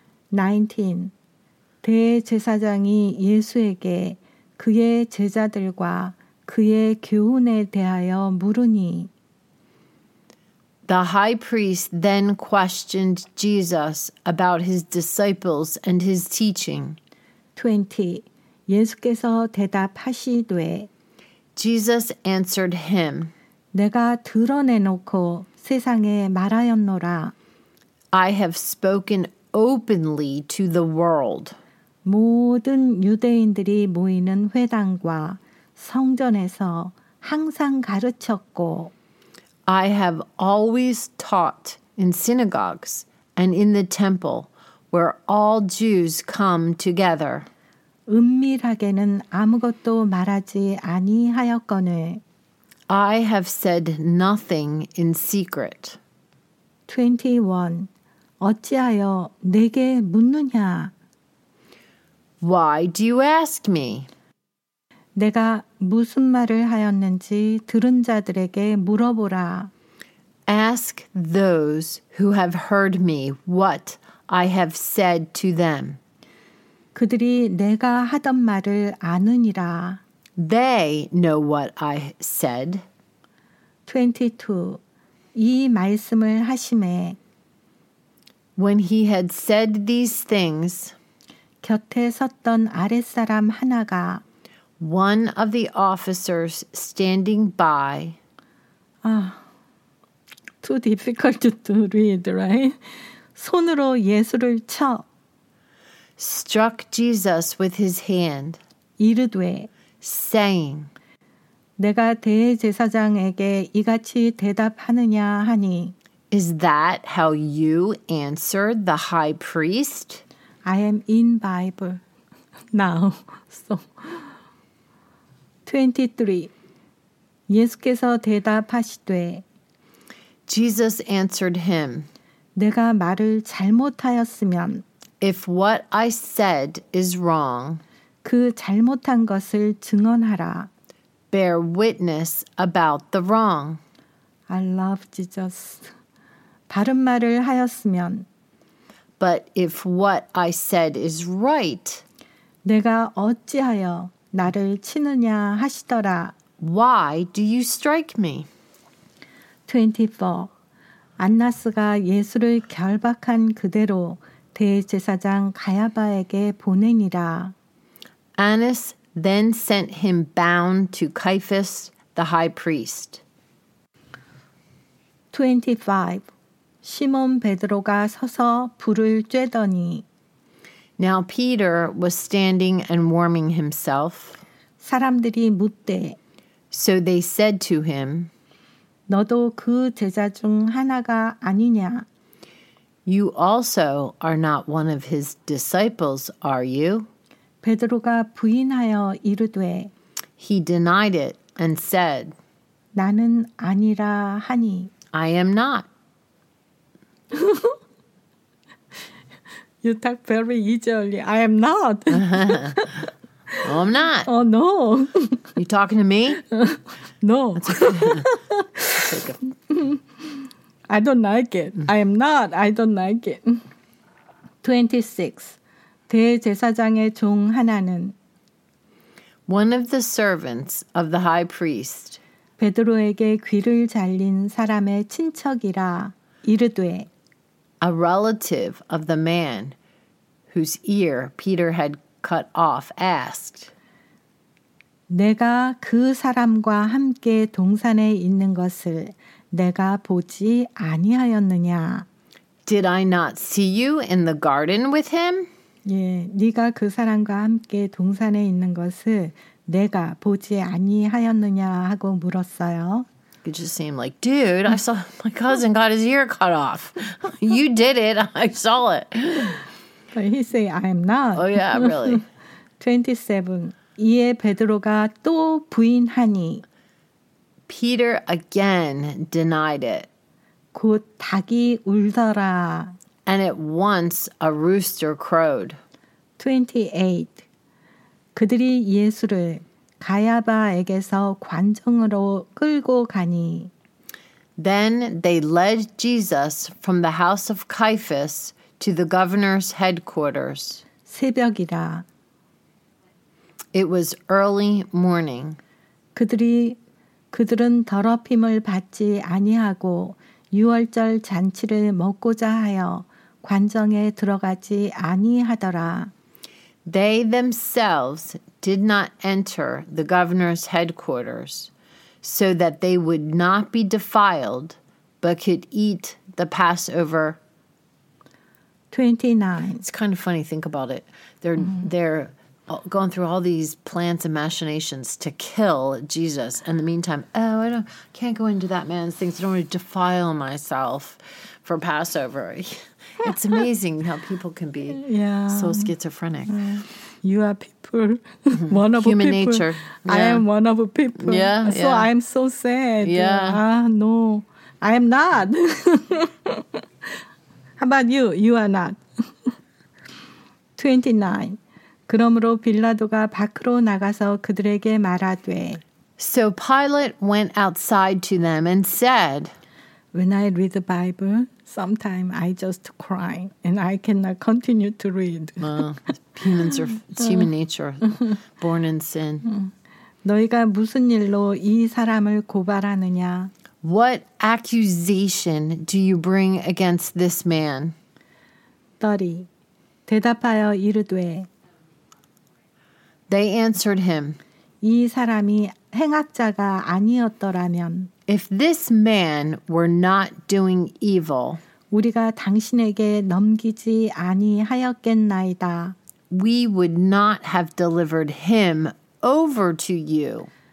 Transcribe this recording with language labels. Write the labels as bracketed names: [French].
[Korean] 19 대제사장이 예수에게 그의 제자들과 그의 교훈에 대하여 물으니 [English] The high priest then questioned Jesus about his disciples and his teaching. [Korean] 20 예수께서 대답하시되 [English] Jesus answered him [Korean] 내가 드러내놓고 세상에 말하였노라 [English] I have spoken openly to the world. [Korean] 모든 유대인들이 모이는 회당과 성전에서 항상 가르쳤고 [English] I have always taught in synagogues and in the temple where all Jews come together. [Korean] 은밀하게는 아무것도 말하지 아니하였거늘 [English] I have said nothing in secret. [Korean] 21 어찌하여 내게 묻느냐? [English] Why do you ask me? [Korean] 내가 무슨 말을 하였는지 들은 자들에게 물어보라. [English] Ask those who have heard me what I have said to them. [Korean] 그들이 내가 하던 말을 아느니라. [English] They know what I said. [Korean] 22. 이 말씀을 하심에 [English] When he had said these things, [Korean] 곁에 섰던 아랫사람 하나가 [English] One of the officers standing by Too difficult to read, right? [Korean] 손으로 예수를 쳐 [English] Struck Jesus with his hand [Korean] 이르되 [English] Saying [Korean] 내가 대제사장에게 이같이 대답하느냐 하니 [English] Is that how you answered the high priest? I am in Bible now. So 23. [Korean] 예수께서 대답하시되 [English] Jesus answered him. [Korean] 내가 말을 잘못하였으면 [English] If what I said is wrong, [Korean] 그 잘못한 것을 증언하라. [English] Bear witness about the wrong. I love Jesus. [Korean] 바른 말을 하였으면 [English] But if what I said is right, [Korean] 내가 어찌하여 나를 치느냐 하시더라. [English] Why do you strike me? 24. [Korean] 안나스가 예수를 결박한 그대로 대제사장 가야바에게 보내니라. [English] Annas then sent him bound to Caiaphas the high priest. 25. [Korean] 시몬 베드로가 서서 불을 쬐더니. [English] Now Peter was standing and warming himself. [Korean] 사람들이 묻되. [English] So they said to him, [Korean] 너도 그 제자 중 하나가 아니냐? [English] You also are not one of his disciples, are you? [Korean] 베드로가 부인하여 이르되. [English] He denied it and said, [Korean] 나는 아니라 하니. [English] I am not. You talk very easily. I am not. Oh, I'm not. Oh, no. You talking to me? No. I don't like it. I am not. I don't like it. 26. [Korean] 대제사장의 종 하나는 [English] One of the servants of the high priest [Korean] 베드로에게 귀를 잘린 사람의 친척이라 이르되 [English] A relative of the man whose ear Peter had cut off asked [Korean] 내가 그 사람과 함께 동산에 있는 것을 내가 보지 아니하였느냐 [English] Did I not see you in the garden with him? [Korean] 예, 네가 그 사람과 함께 동산에 있는 것을 내가 보지 아니하였느냐 하고 물었어요. [English] It just seemed like, dude, I saw my cousin got his ear cut off. You did it. I saw it. But he say, I am not. Oh, yeah, really. 27. [Korean] 이에 베드로가 또 부인하니. [English] Peter again denied it. [Korean] 곧 닭이 울더라. [English] And at once a rooster crowed. 28. [Korean] 그들이 예수를 가야바에게서 관정으로 끌고 가니. [English] Then they led Jesus from the house of Caiaphas to the governor's headquarters. [Korean] 새벽이라. [English] It was early morning. [Korean] 그들은 더럽힘을 받지 아니하고 유월절 잔치를 먹고자 하여 관정에 들어가지 아니하더라. [English] They themselves did not enter the governor's headquarters so that they would not be defiled but could eat the Passover. 29. It's kind of funny. Think about it. They're going through all these plans and machinations to kill Jesus. In the meantime, oh, I can't go into that man's things. I don't want to defile myself for Passover. It's amazing how people can be so schizophrenic. You are people. One of Human people. Nature. Yeah. I am one of people. Yeah, so I am so sad. Yeah. No, I am not. How about you? You are not. 29. [Korean] 그러므로 빌라도가 밖으로 나가서 그들에게 말하되. [English] So Pilate went outside to them and said, When I read the Bible, sometimes I just cry and I cannot continue to read. Humans are, it's human nature, born in sin. [Korean] 너희가 무슨 일로 이 사람을 고발하느냐? [English] What accusation do you bring against this man? [Korean] 30. 대답하여 이르되. [English] They answered him. [Korean] 이 사람이 행악자가 아니었더라면. [English] If this man were not doing evil, [Korean] 우리가 당신에게 넘기지 아니하였겠나이다. [English] We would not have delivered him over to you.